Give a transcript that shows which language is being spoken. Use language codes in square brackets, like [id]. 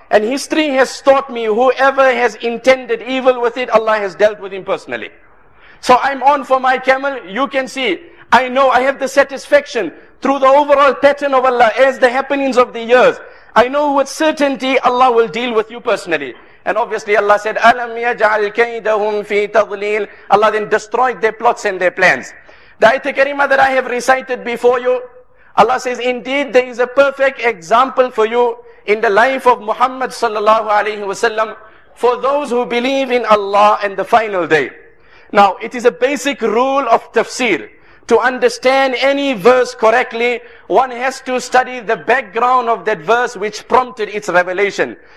[en] And history has taught me, whoever has intended evil with it, Allah has dealt with him personally. So I'm on for my camel, you can see, I know, I have the satisfaction, through the overall pattern of Allah, as the happenings of the years, I know with certainty, Allah will deal with you personally. And obviously Allah said, [ar] أَلَمْ يَجْعَلْ كَيْدَهُمْ فِي تَضْلِيلٍ. [en] Allah then destroyed their plots and their plans. The ayat al-karimah that I have recited before you, Allah says, indeed there is a perfect example for you in the life of Muhammad sallallahu alayhi wasallam for those who believe in Allah and the final day. Now, it is a basic rule of tafsir. To understand any verse correctly, one has to study the background of that verse which prompted its revelation.